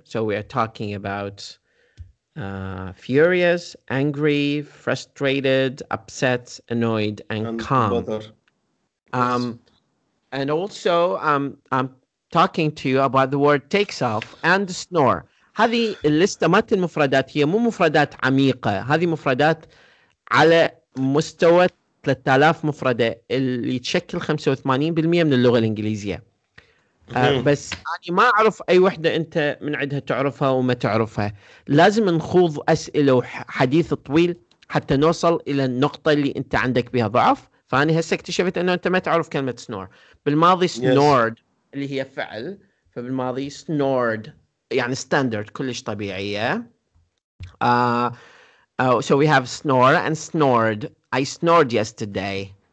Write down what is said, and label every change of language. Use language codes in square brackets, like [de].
[en] So we are talking about furious, angry, frustrated, upset, annoyed, and calm. And also I'm talking to you about the word takes off and snore. [ar] هذه الليستة مات المفردات، هي مو مفردات عميقة، هذه مفردات على مستوى 3000 مفردة اللي تشكل 85% من اللغة الإنجليزية. بس أنا ما أعرف أي وحدة أنت من عندها تعرفها وما تعرفها. لازم نخوض أسئلة وحديث طويل حتى نوصل إلى النقطة اللي أنت عندك بها ضعف. فأنا هسه اكتشفت أنه أنت ما تعرف كلمة snore. بالماضي snored اللي هي فعل، فبالماضي snored يعني standard كلش طبيعية. [en] So we have snore and snored. I snored yesterday.